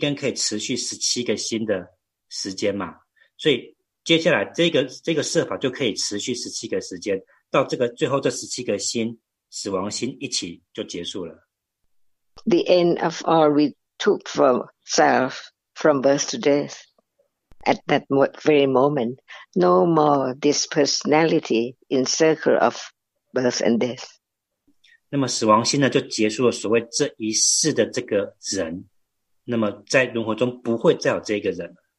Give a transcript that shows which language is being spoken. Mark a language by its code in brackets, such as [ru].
[zh] 老师这边解释的是，在死亡心升起的17个心的时刻呢，那么业就不再那个创造出法来了，因为他创造这个法，这个意根可以持续17个心的时间嘛。所以接下来这个设法就可以持续17个时间，到这个最后这17个心死亡心一起就结束了。 [en] The end of all we took for self from birth to death at that very moment, no more this personality in circle of birth and death. [zh] 那么死亡心呢，就结束了所谓这一世的这个人，那么在轮回中不会再有这个人。